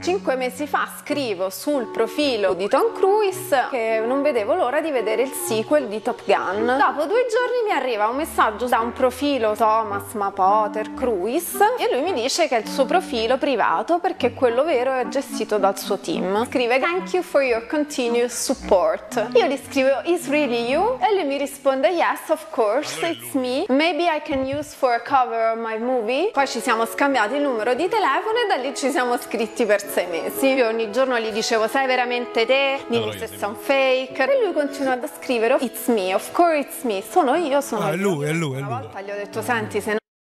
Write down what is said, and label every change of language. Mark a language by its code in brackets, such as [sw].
[it] 5 mesi fa scrivo sul profilo di Tom Cruise che non vedevo l'ora di vedere il sequel di Top Gun. Dopo 2 giorni mi arriva un messaggio da un profilo Thomas Mapother Cruise e lui mi dice che è il suo profilo privato perché quello vero è gestito dal suo team. Scrive: [en] thank you for your continuous support. [it] Io gli scrivo: [en] is really you? [it] E lui mi risponde: [en] yes, of course, it's me. Maybe I can use for a cover of my movie. [it] Poi ci siamo scambiati il numero di telefono e da lì ci siamo scritti per 6 mesi. Io ogni giorno gli dicevo: sei veramente te? Mi disse: sei un fake. E lui continua a scrivere: [en] it's me, of course it's me, [it] sono io, sono è lui, è lui. Una volta gli ho detto: senti, se no...